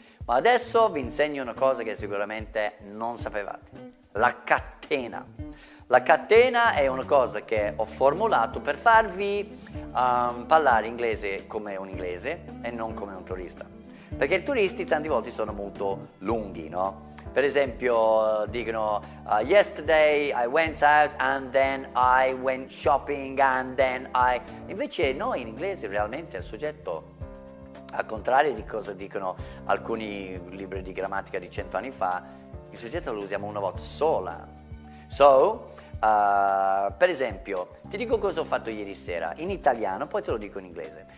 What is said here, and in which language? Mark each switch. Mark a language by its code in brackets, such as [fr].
[it] Ma adesso vi insegno una cosa che sicuramente non sapevate. La catena. La catena è una cosa che ho formulato per farvi parlare inglese come un inglese e non come un turista. Perché i turisti tante volte sono molto lunghi, no? Per esempio dicono [en] yesterday I went out and then I went shopping and then I... [it] Invece noi in inglese realmente il soggetto, al contrario di cosa dicono alcuni libri di grammatica di 100 anni fa, il soggetto lo usiamo una volta sola. So, per esempio, ti dico cosa ho fatto ieri sera in italiano, poi te lo dico in inglese.